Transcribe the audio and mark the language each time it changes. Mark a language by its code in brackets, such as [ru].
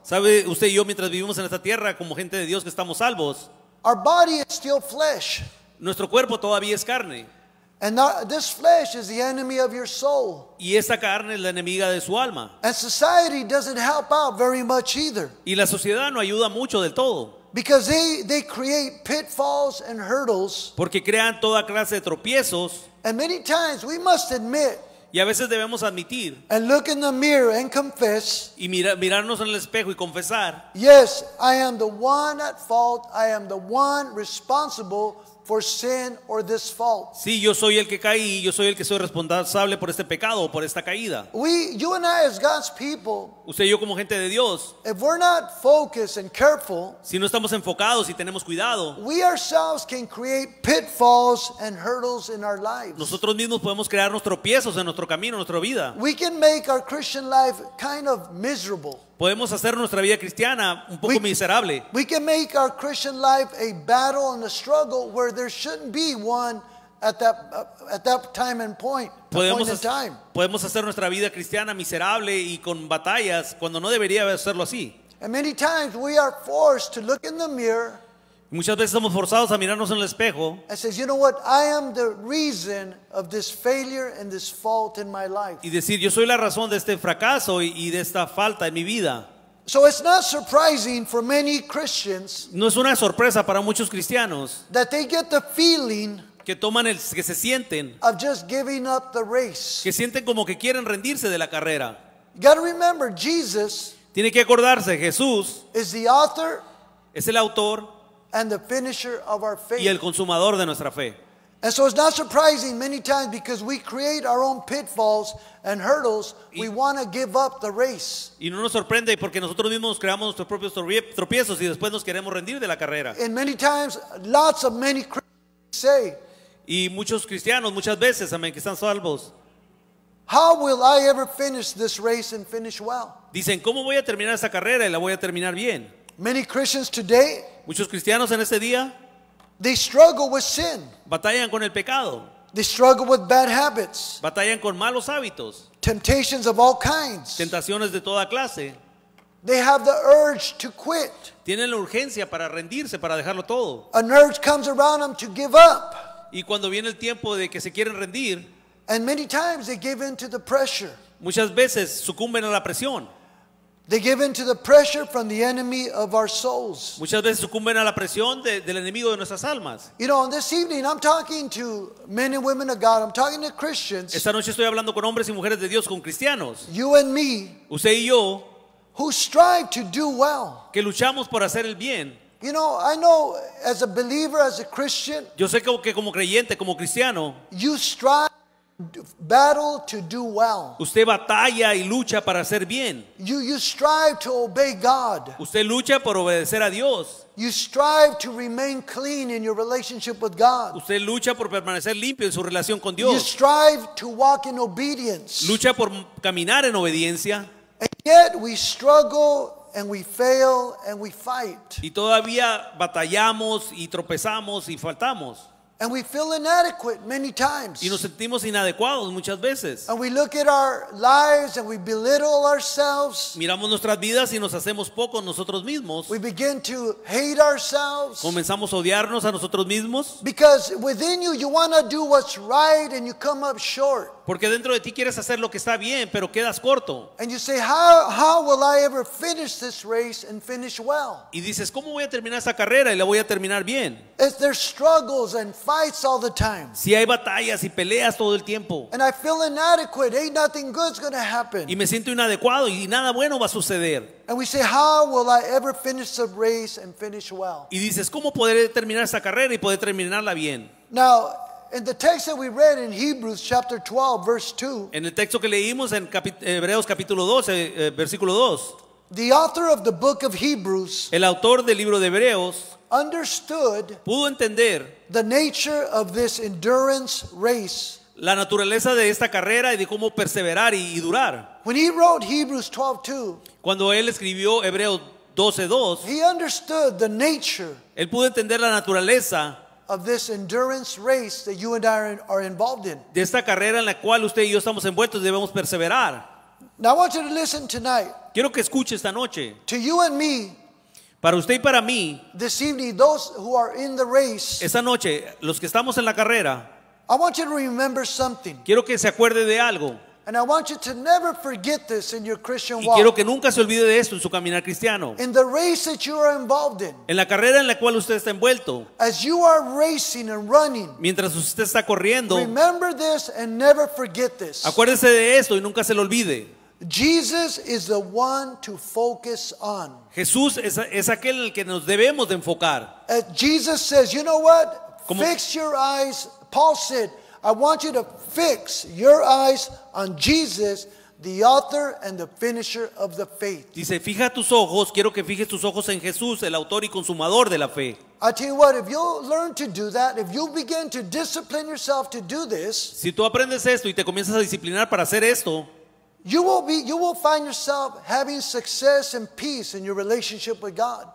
[es] ¿Sabe usted y yo, mientras vivimos en esta tierra como gente de Dios que estamos salvos, [en] our body is still flesh. [es] Nuestro cuerpo todavía es carne. [en] And this flesh is the enemy of your soul. [es] Y esta carne es la enemiga de su alma. [en] And society doesn't help out very much either. [es] Y la sociedad no ayuda mucho del todo. [en] Because they create pitfalls and hurdles. [es] Porque crean toda clase de tropiezos. [en] And many times we must admit. [es] Y a veces debemos admitir. [en] And look in the mirror and confess. [es] Y mirarnos en el espejo y confesar. [en] Yes, I am the one at fault. I am the one responsible for sin or this fault. [es] Sí, yo soy el que caí, yo soy el que soy responsable por este pecado, por esta caída. [en] We, you and I as God's people. [es] Usted y yo como gente de Dios. [en] If we're not focused and careful. [es] Si no estamos enfocados y tenemos cuidado. [en] We ourselves can create pitfalls and hurdles in our lives. [es] Nosotros mismos podemos crearnos tropiezos en nuestro camino, en nuestra vida. [en] We can make our Christian life kind of miserable. [es] Podemos hacer nuestra vida cristiana un poco miserable. [en] We can make our Christian life a battle and a struggle where there shouldn't be one at that time. [es] Podemos hacer nuestra vida cristiana miserable y con batallas cuando no debería hacerlo así. [en] And many times we are forced to look in the mirror. [es] Muchas veces somos forzados a mirarnos en el espejo. [en] And says, you know what? I am the reason of this failure and this fault in my life. [es] Y decir, yo soy la razón de este fracaso y de esta falta en mi vida. [en] So it's not surprising for many Christians. [es] No es una sorpresa para muchos cristianos. [en] That they get the feeling. [es] Que toman el que se sienten. [en] Of just giving up the race. [es] Que sienten como que quieren rendirse de la carrera. [en] You gotta remember, Jesus. [es] Tiene que acordarse, Jesús. [en] Is the author. [es] Es el autor. [en] And the finisher of our faith. [es] Y el consumador de nuestra fe. [en] And so it's not surprising many times because we create our own pitfalls and hurdles. We want to give up the race. [es] Y no nos sorprende porque nosotros mismos creamos nuestros propios tropiezos y después nos queremos rendir de la carrera. [en] And many times, lots of many Christians say. [es] Y muchos cristianos muchas veces, amén, que están salvos. [en] How will I ever finish this race and finish well? [es] Dicen, ¿cómo voy a terminar esta carrera y la voy a terminar bien? [en] Many Christians today. [es] Muchos cristianos en este día. [en] They struggle with sin. [es] Batallan con el pecado. [en] They struggle with bad habits. [es] Batallan con malos hábitos. [en] Temptations of all kinds. [es] Tentaciones de toda clase. [en] They have the urge to quit. [es] Tienen la urgencia para rendirse, para dejarlo todo. [en] An urge comes around them to give up. [es] Y cuando viene el tiempo de que se quieren rendir. [en] And many times they give in to the pressure. [es] Muchas veces sucumben a la presión. [en] They give in to the pressure from the enemy of our souls. [es] Muchas veces sucumben a la presión del enemigo de nuestras almas. [en] You know, on this evening I'm talking to men and women of God. I'm talking to Christians. [es] Esta noche estoy hablando con hombres y mujeres de Dios, con cristianos. [en] You and me. [es] Usted y yo. [en] Who strive to do well. [es] Que luchamos por hacer el bien. [en] You know, I know as a believer, as a Christian. [es] Yo sé que como creyente, como cristiano. [en] You strive. Battle to do well. [es] Usted batalla y lucha para hacer bien. [en] You strive to obey God. [es] Usted lucha por obedecer a Dios. [en] You strive to remain clean in your relationship with God. [es] Usted lucha por permanecer limpio en su relación con Dios. [en] You strive to walk in obedience. [es] Lucha por caminar en obediencia. [en] And yet we struggle and we fail and we fight. [es] Y todavía batallamos y tropezamos y faltamos. [en] And we feel inadequate many times. [es] Y nos sentimos inadecuados muchas veces. [en] And we look at our lives and we belittle ourselves. [es] Miramos nuestras vidas y nos hacemos poco nosotros mismos. [en] We begin to hate ourselves. [es] Comenzamos a odiarnos a nosotros mismos. [en] Because within you, you want to do what's right and you come up short. [es] Porque dentro de ti quieres hacer lo que está bien, pero quedas corto. [en] And you say, how will I ever finish this race and finish well? [es] Y dices, ¿cómo voy a terminar esta carrera y la voy a terminar bien? [en] If there's struggles and fights all the time. [es] Si hay batallas y peleas todo el tiempo. [en] And I feel inadequate, ain't nothing good's gonna happen. [es] Y me siento inadecuado y nada bueno va a suceder. [en] And we say, how will I ever finish the race and finish well? [es] Y dices, ¿cómo podré terminar esta carrera y poder terminarla bien? [en] Now, in the text that we read in Hebrews chapter 12, verse 2. [es] En el texto que leímos en Hebreos capítulo 12, versículo 2. [en] The author of the book of Hebrews. [es] El autor del libro de Hebreos. [en] Understood. [es] Pudo entender. [en] The nature of this endurance race. [es] La naturaleza de esta carrera y de cómo perseverar y durar. [en] When he wrote Hebrews 12:2. [es] Cuando él escribió Hebreos 12:2. [en] He understood the nature. [es] Él pudo entender la naturaleza. [en] Of this endurance race that you and I are involved in. [es] De esta carrera en la cual usted y yo estamos envueltos y debemos perseverar. [en] Now I want you to listen tonight. [es] Quiero que escuche esta noche. [en] To you and me. [es] Para usted y para mí. [en] This evening, those who are in the race. [es] Esta noche, los que estamos en la carrera. [en] I want you to remember something. [es] Quiero que se acuerde de algo. [en] And I want you to never forget this in your Christian walk. [es] Y quiero que nunca se olvide de esto en su caminar cristiano. [en] In the race that you are involved in. [es] En la carrera en la cual usted está envuelto. [en] As you are racing and running. [es] Mientras usted está corriendo. [en] Remember this and never forget this. [es] Acuérdese de esto y nunca se lo olvide. [en] Jesus is the one to focus on. [es] Jesús es aquel en el que nos debemos de enfocar. [en] Jesus says, you know what? Como, fix your eyes. Paul said, I want you to fix your eyes on Jesus, the author and the finisher of the faith. [es] Dice, fija tus ojos, quiero que fijes tus ojos en Jesús, el autor y consumador de la fe. [en] I tell you what, if you'll learn to do that, if you begin to discipline yourself to do this, [es] si tú aprendes esto y te comienzas a disciplinar para hacer esto, [en] you will find yourself having success and peace in your relationship with God.